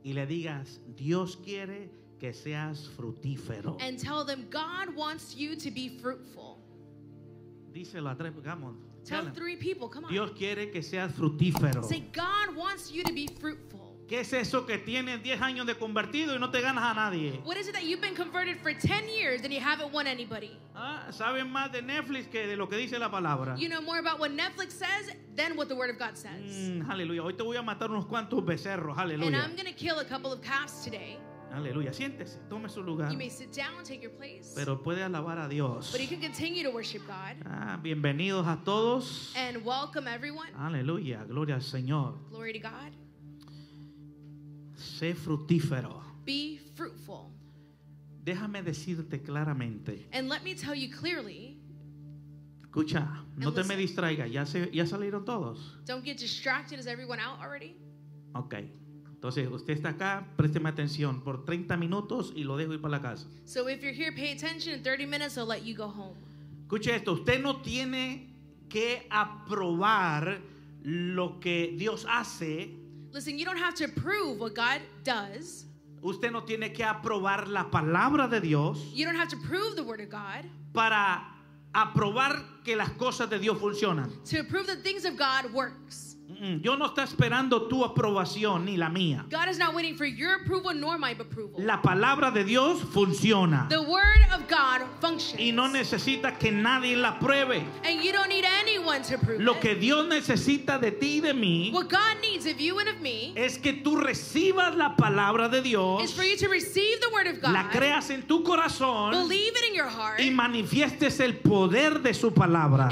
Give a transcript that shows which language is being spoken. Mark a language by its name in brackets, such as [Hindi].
[Spanish] Y le digas, Dios quiere que seas fructífero. [English] And tell them God wants you to be fruitful. [Spanish] Díselo a tres, vamos. [English] Tell three people, come on. [Spanish] Dios quiere que seas fructífero. [English] Say God wants you to be fruitful. [Spanish] ¿Qué es eso que tienes 10 años de convertido y no te ganas a nadie? [English] What is it that you've been converted for 10 years and you haven't won anybody? [Spanish] Saben más de Netflix que de lo que dice la palabra. [English] You know more about what Netflix says than what the word of God says. [Spanish] Aleluya. Hoy te voy a matar unos cuantos becerros. Aleluya. [English] And I'm going to kill a couple of calves today. [Spanish] Aleluya. Siéntese, tome su lugar. [English] You may sit down, take your place. [Spanish] Pero puede alabar a Dios. [English] But you can continue to worship God. [Spanish] Bienvenidos a todos. [English] And welcome everyone. [Spanish] Aleluya. Gloria al Señor. [English] Glory to God. [Spanish] Sé fructífero. [English] Be fruitful. [Spanish] Déjame decirte claramente. [English] And let me tell you clearly. [Spanish] Escucha, no te me distraiga. Ya salieron todos. [English] Don't get distracted. Is everyone out already? Okay. [Spanish] Entonces, usted está acá, présteme atención por 30 minutos y lo dejo ir para la casa. [English] So if you're here, pay attention. In 30 minutes, I'll let you go home. [Spanish] Escuche esto. Usted no tiene que aprobar lo que Dios hace. [English] Listen, you don't have to prove what God does. [Spanish] Usted no tiene que aprobar la palabra de Dios. [English] You don't have to prove the word of God. [Spanish] Para aprobar que las cosas de Dios funcionan. [English] To prove that things of God works. [Spanish] Yo no está esperando tu aprobación ni la mía. [English] God is not waiting for your approval nor my approval. [Spanish] La palabra de Dios funciona. [English] The word of God functions. [Spanish] Y no necesita que nadie la pruebe. [English] And you don't need anyone to prove it. [Spanish] Lo que Dios necesita de ti y de mí. [English] What God needs of you and of me. [Spanish] Es que tú recibas la palabra de Dios. [English] Is for you to receive the word of God. [Spanish] La creas en tu corazón. [English] Believe it in your heart. [Spanish] Y manifiestes el poder de su palabra.